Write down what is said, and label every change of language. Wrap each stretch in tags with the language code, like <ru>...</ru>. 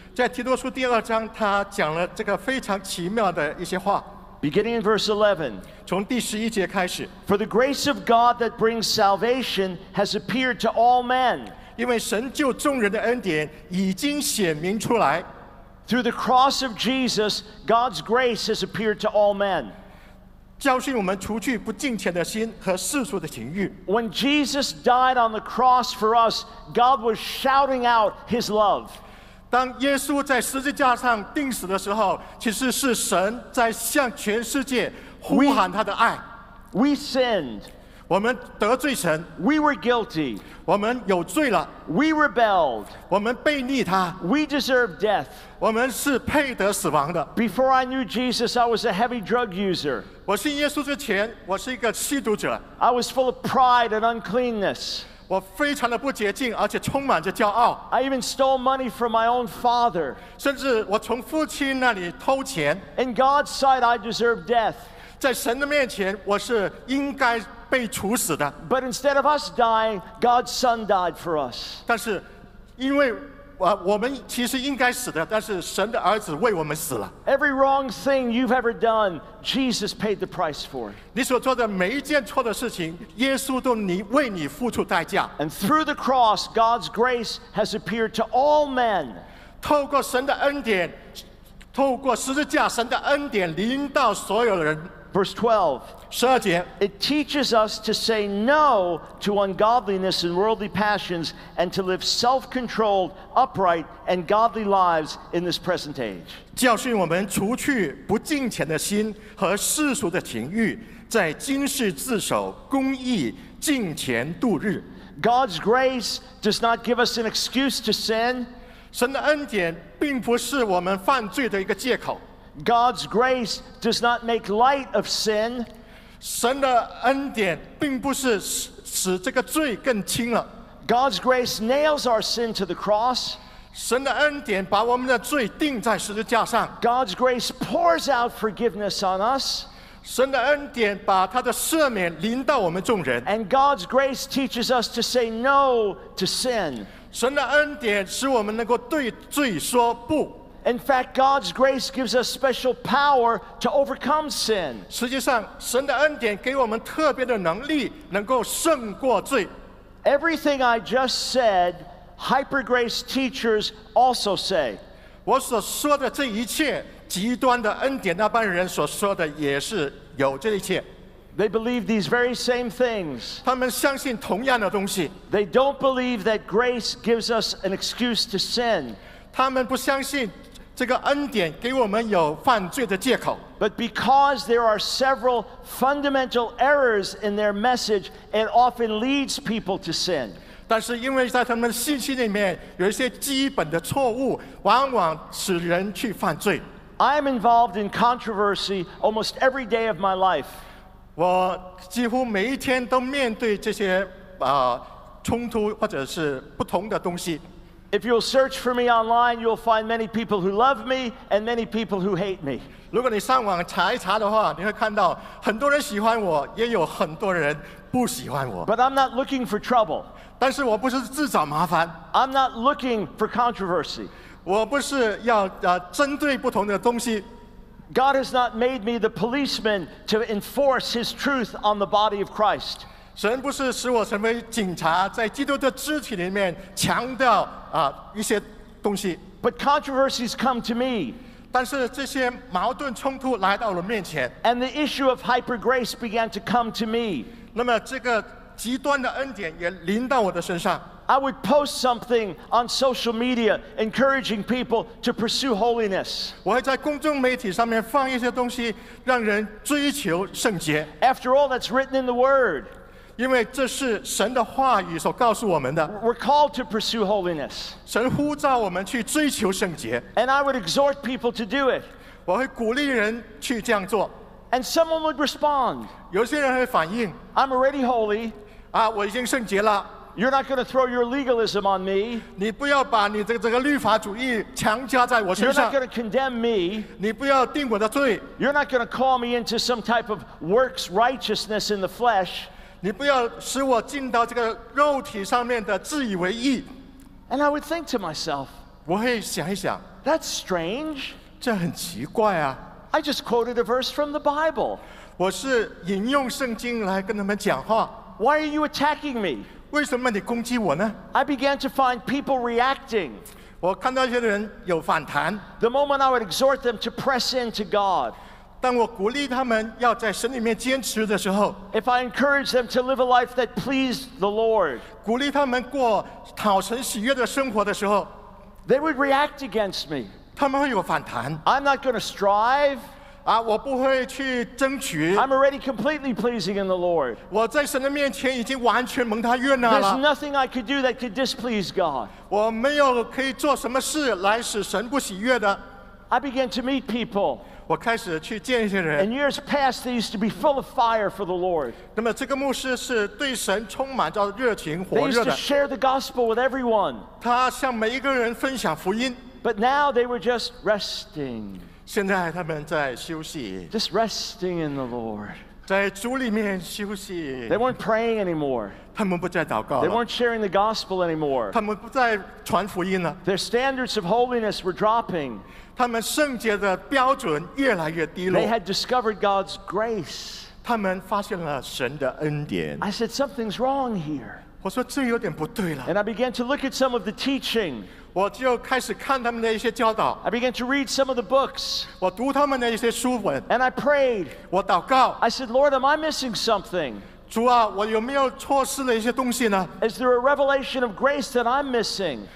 <zh>在提多书第二章，他讲了这个非常奇妙的一些话。</zh> <en>Beginning in verse 11.</en> <zh>从第十一节开始。</zh> <en>For the grace of God that brings salvation has appeared to all men.</en> <zh>因为神救众人的恩典已经显明出来。</zh> <en>Through the cross of Jesus, God's grace has appeared to all men.</en> <zh>教训我们除去不敬虔的心和世俗的情欲。</zh> <en>When Jesus died on the cross for us, God was shouting out His love.</en> <zh>当耶稣在十字架上钉死的时候，其实是神在向全世界呼喊他的爱。</zh> <en>We sinned.</en> <zh>我们得罪神。</zh> <en>We were guilty.</en> <zh>我们有罪了。</zh> <en>We rebelled.</en> <zh>我们悖逆他。</zh> <en>We deserved death.</en> <zh>我们是配得死亡的。</zh> <en>Before I knew Jesus, I was a heavy drug user.</en> <zh>我信耶稣之前，我是一个吸毒者。</zh> <en>I was full of pride and uncleanness.</en> <zh>我非常的不洁净，而且充满着骄傲。</zh> <en>I even stole money from my own father.</en> <zh>甚至我从父亲那里偷钱。</zh> <en>In God's sight, I deserve death.</en> <zh>在神的面前，我是应该被处死的。</zh> <en>But instead of us dying, God's son died for us.</en> <zh>但是，因为我们其实应该死的，但是神的儿子为我们死了。</zh> <en>Every wrong thing you've ever done, Jesus paid the price for.</en> <zh>你所做的每一件错的事情，耶稣都为你付出代价。</zh> <en>And through the cross, God's grace has appeared to all men.</en> <zh>透过神的恩典，透过十字架，神的恩典临到所有人。</zh> <en>Verse 12.</en> <zh>十二节。</zh> <en>It teaches us to say no to ungodliness and worldly passions and to live self-controlled, upright, and godly lives in this present age.</en> <zh>教训我们除去不敬虔的心和世俗的情欲，在今世自守公义，敬虔度日。</zh> <en>God's grace does not give us an excuse to sin.</en> <zh>神的恩典并不是我们犯罪的一个借口。</zh> <en>God's grace does not make light of sin.</en> <zh>神的恩典并不是使这个罪更轻了。</zh> <en>God's grace nails our sin to the cross.</en> <zh>神的恩典把我们的罪钉在十字架上。</zh> <en>God's grace pours out forgiveness on us.</en> <zh>神的恩典把他的赦免临到我们众人。</zh> <en>And God's grace teaches us to say no to sin.</en> <zh>神的恩典使我们能够对罪说不。</zh> <en>In fact, God's grace gives us special power to overcome sin.</en> <zh>实际上，神的恩典给我们特别的能力，能够胜过罪。</zh> <en>Everything I just said, hyper grace teachers also say.</en> <zh>我所说的这一切，极端的恩典那班人所说的也是有这一切。</zh> <en>They believe these very same things.</en> <zh>他们相信同样的东西。</zh> <en>They don't believe that grace gives us an excuse to sin.</en> <zh>他们不相信这个恩典给我们有犯罪的借口。</zh> <en>But because there are several fundamental errors in their message, it often leads people to sin.</en> <zh>但是因为在他们信息里面有一些基本的错误，往往使人去犯罪。</zh> <en>I am involved in controversy almost every day of my life.</en> <zh>我几乎每一天都面对这些冲突或者是不同的东西。</zh> <en>If you'll search for me online, you'll find many people who love me and many people who hate me.</en> <zh>如果你上网查一查的话，你会看到很多人喜欢我，也有很多人不喜欢我。</zh> <en>But I'm not looking for trouble.</en> <zh>但是我不是自找麻烦。</zh> <en>I'm not looking for controversy.</en> <zh>我不是要针对不同的东西。</zh> <en>God has not made me the policeman to enforce His truth on the body of Christ.</en> <zh>神不是使我成为警察，在基督的肢体里面强调一些东西。</zh> <en>But controversies come to me.</en> <zh>但是这些矛盾冲突来到了面前。</zh> <en>And the issue of hyper grace began to come to me.</en> <zh>那么这个极端的恩典也临到我的身上。</zh> <en>I would post something on social media encouraging people to pursue holiness.</en> <zh>我会在公众媒体上面放一些东西，让人追求圣洁。</zh> <en>After all, that's written in the Word.</en> <zh>因为这是神的话语所告诉我们的。</zh> <en>We're called to pursue holiness.</en> <zh>神呼召我们去追求圣洁。</zh> <en>And I would exhort people to do it.</en> <zh>我会鼓励人去这样做。</zh> <en>And someone would respond.</en> <zh>有些人会反应。</zh> <en>I'm already holy.</en> <zh>我已经圣洁了。</zh> <en>You're not going to throw your legalism on me.</en> <zh>你不要把你这个律法主义强加在我身上。</zh> <en>You're not going to condemn me.</en> <zh>你不要定我的罪。</zh> <en>You're not going to call me into some type of works righteousness in the flesh.</en> <zh>你不要使我进到这个肉体上面的自以为意。</zh> <en>And I would think to myself,</en> <zh>我会想一想</zh> <en>That's strange.</en> <zh>这很奇怪啊。</zh> <en>I just quoted a verse from the Bible.</en> <zh>我是引用圣经来跟他们讲话。</zh> <en>Why are you attacking me?</en> <zh>为什么你攻击我呢？</zh> <en>I began to find people reacting.</en> <zh>我看到一些人有反弹。</zh> <en>The moment I would exhort them to press into God.</en> <zh>当我鼓励他们要在神里面坚持的时候</zh> <en>If I encourage them to live a life that pleased the Lord</en> <zh>鼓励他们过讨神喜悦的生活的时候</zh> <en>They would react against me</en> <zh>他们会有反弹</zh> <en>I'm not going to strive</en> <zh>啊，我不会去争取</zh> <en>I'm already completely pleasing in the Lord</en> <zh>我在神的面前已经完全蒙他悦纳了</zh> <en>There's nothing I could do that could displease God</en> <zh>我没有可以做什么事来使神不喜悦的</zh> <en>I began to meet people</en> <zh>我开始去见一些人。</zh> <en>And years past, they used to be full of fire for the Lord.</en> <zh>那么这个牧师是对神充满着热情、火热的。</zh> <en>They used to share the gospel with everyone.</en> <zh>他向每一个人分享福音。</zh> <en>But now they were just resting.</en> <zh>现在他们在休息。</zh> <en>Just resting in the Lord.</en> <zh>在主里面休息。</zh> <en>They weren't praying anymore.</en> <zh>他们不再祷告了。</zh> <en>They weren't sharing the gospel anymore.</en> <zh>他们不再传福音了。</zh> <en>Their standards of holiness were dropping.</en> <zh>他们圣洁的标准越来越低落。</zh> <en>They had discovered God's grace.</en> <zh>他们发现了神的恩典。</zh> <en>I said something's wrong here.</en> <zh>我说这有点不对了。</zh> <en>And I began to look at some of the teaching.</en> <zh>我就开始看他们的一些教导。</zh> <en>I began to read some of the books.</en> <zh>我读他们的一些书本。</zh> <en>And I prayed.</en> <zh>我祷告。</zh> <en>I said, Lord, am I missing something?</en> <zh>主啊，我有没有错失了一些东西呢？</zh> <en>Is there a revelation of grace that I'm missing?</en>